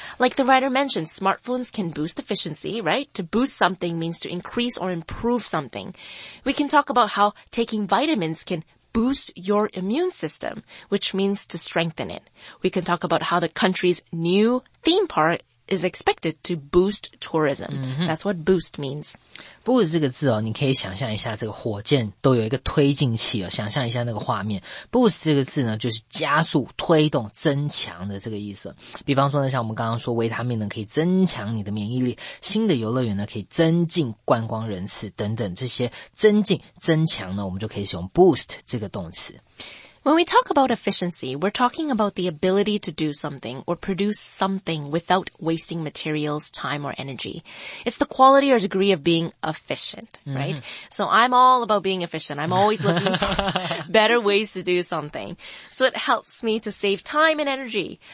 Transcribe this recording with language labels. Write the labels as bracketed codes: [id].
[en] Like the writer mentioned, smartphones can boost efficiency, right? To boost something means to increase or improve something. We can talk about how taking vitamins canboost your immune system, which means to strengthen it. We can talk about how the country's new theme park is expected to boost tourism. Mm-hmm. That's what boost means. [zh] Boost 这个字哦，你可以想象一下这个火箭都有一个推进器哦，想象一下那个画面。 Boost 这个字呢，就是加速、推动、增强的这个意思。比方说呢，像我们刚刚说，维他命呢可以增强你的免疫力，新的游乐园呢可以增进观光人次等等，这些增进、增强呢，我们就可以使用 boost 这个动词。 [en] When we talk about efficiency, we're talking about the ability to do something or produce something without wasting materials, time, or energy. It's the quality or degree of being efficient, right? So I'm all about being efficient. I'm always looking for better ways to do something. So it helps me to save time and energy.